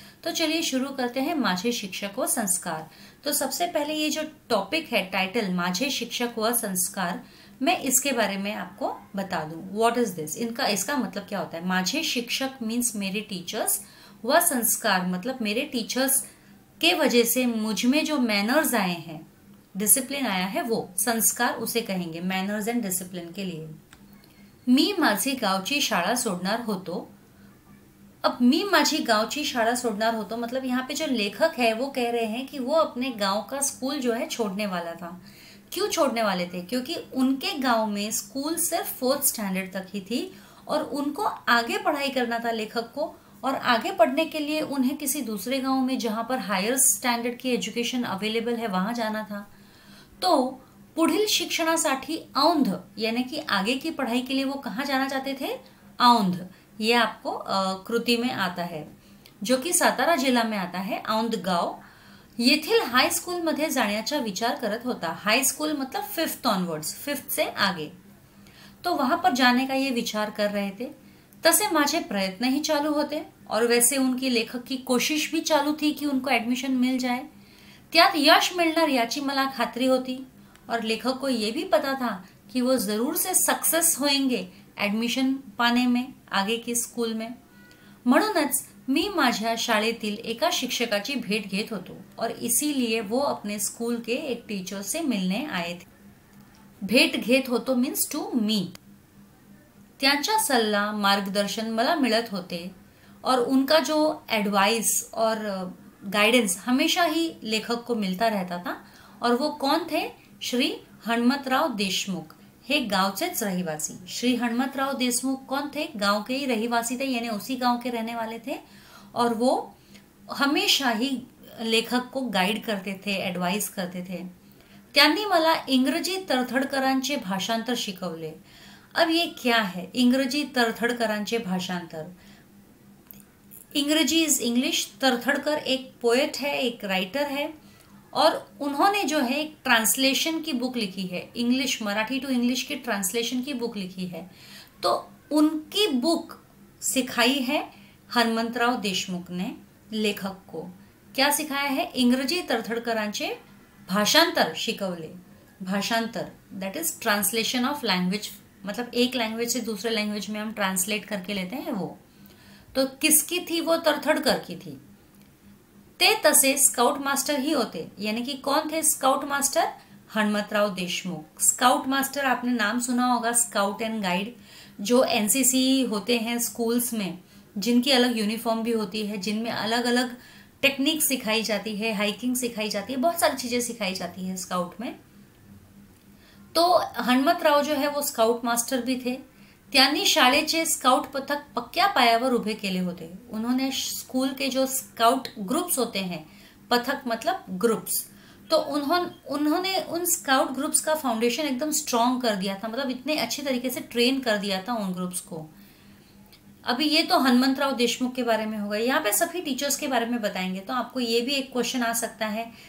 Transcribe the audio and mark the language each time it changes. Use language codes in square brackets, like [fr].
[hi] तो चलिए शुरू करते हैं [mr] माझे शिक्षक व संस्कार। [hi] तो सबसे पहले ये जो टॉपिक है, टाइटल माझे शिक्षक व संस्कार, मैं इसके बारे में आपको बता दूं, [en] what is this, [hi] इनका इसका मतलब क्या होता है। माझे शिक्षक मीन्स मेरे टीचर्स, व संस्कार मतलब मेरे टीचर्स के वजह से मुझ में जो मैनर्स आए हैं, डिसिप्लिन आया है, वो संस्कार उसे कहेंगे, मैनर्स एंड डिसिप्लिन के लिए। [mr] मी माझी गावची शाळा सोडणार होतो। [hi] अब [mr] मी माझी गावची शाळा सोडणार होतो [hi] मतलब यहाँ पे जो लेखक है वो कह रहे हैं कि वो अपने गांव का स्कूल जो है छोड़ने वाला था। क्यों छोड़ने वाले थे? क्योंकि उनके गांव में स्कूल सिर्फ 4th स्टैंडर्ड तक ही थी और उनको आगे पढ़ाई करना था लेखक को, और आगे पढ़ने के लिए उन्हें किसी दूसरे गांव में जहां पर हायर स्टैंडर्ड की एजुकेशन अवेलेबल है वहां जाना था। तो [mr] पुढील शिक्षणासाठी औंध, [hi] यानी कि आगे की पढ़ाई के लिए वो कहाँ जाना चाहते थे? औंध, ये आपको कृति में आता है जो कि सातारा जिला में आता है, औंध गाव। [mr] येथील हाई स्कूल मध्ये जाण्याचा विचार करत होता। [hi] हाई स्कूल मतलब 5th ऑनवर्ड्स 5th से आगे, तो वहां पर जाने का ये विचार कर रहे थे। [mr] तसे माझे प्रयत्न ही चालू होते, [hi] और वैसे उनकी लेखक की कोशिश भी चालू थी कि उनको एडमिशन मिल जाए। [mr] त्यात यश मिळणार याची मला खात्री होती, [hi] और लेखक को ये भी पता था कि वो जरूर से सक्सेस होएंगे एडमिशन पाने में आगे की स्कूल में। [mr] म्हणूनच मी माझ्या शाळेतील एका शिक्षकाची भेट घेत होतो, [hi] और इसीलिए वो अपने स्कूल के एक टीचर से मिलने आए थे। [mr] भेट घेत होतो [en] Means to meet. [mr] त्यांचा सल्ला मार्गदर्शन मला मिळत होते, [hi] और उनका जो एडवाइस और गाइडेंस हमेशा ही लेखक को मिलता रहता था। और वो कौन थे? [mr] श्री हनुमतराव देशमुख, हे गावचेच रहिवासी। [hi] श्री हनुमतराव देशमुख कौन थे? गांव के ही रहिवासी थे, यानी उसी गांव के रहने वाले थे, और वो हमेशा ही लेखक को गाइड करते थे, एडवाइस करते थे। [mr] त्यांनी मला इंग्रजी तरथडकरांचे भाषांतर शिकवले। [hi] अब ये क्या है [mr] इंग्रजी तरथडकरांचे भाषांतर? [hi] इंग्रजी इज इंग्लिश, तरथडकर एक पोएट है, एक राइटर है, और उन्होंने जो है एक ट्रांसलेशन की बुक लिखी है, इंग्लिश मराठी टू इंग्लिश की ट्रांसलेशन की बुक लिखी है। तो उनकी बुक सिखाई है हनुमंतराव देशमुख ने लेखक को, क्या सिखाया है? [mr] इंग्रजी तरथडकरांचे भाषांतर शिकवले। [hi] भाषांतर [en] that is translation of language, [hi] मतलब एक लैंग्वेज से दूसरे लैंग्वेज में हम ट्रांसलेट करके लेते हैं वो। तो किसकी थी वो? तरथडकर की थी। [mr] ते तसे स्काउट मास्टर ही होते, [hi] यानी कि कौन थे scout master? हनुमतराव Deshmukh. Scout master आपने नाम सुना होगा, स्काउट एंड गाइड, जो एनसीसी होते हैं स्कूल्स में, जिनकी अलग यूनिफॉर्म भी होती है, जिनमें अलग अलग टेक्निक सिखाई जाती है, हाइकिंग सिखाई जाती है, बहुत सारी चीजें सिखाई जाती है स्काउट में। तो हनुमत राव जो है वो स्काउट मास्टर भी थे। [mr] त्यांनी शाळेचे स्काउट पथक पक्क्या पायावर उभे केले होते। [hi] उन्होंने स्कूल के जो स्काउट ग्रुप्स होते हैं, पथक मतलब ग्रुप्स, तो उन्होंने उन स्काउट ग्रुप्स का फाउंडेशन एकदम स्ट्रांग कर दिया था। मतलब इतने अच्छे तरीके से ट्रेन कर दिया था उन ग्रुप्स को। अभी ये तो हनुमंतराव देशमुख के बारे में होगा, यहाँ पे सभी टीचर्स के बारे में बताएंगे, तो आपको ये भी एक क्वेश्चन आ सकता है।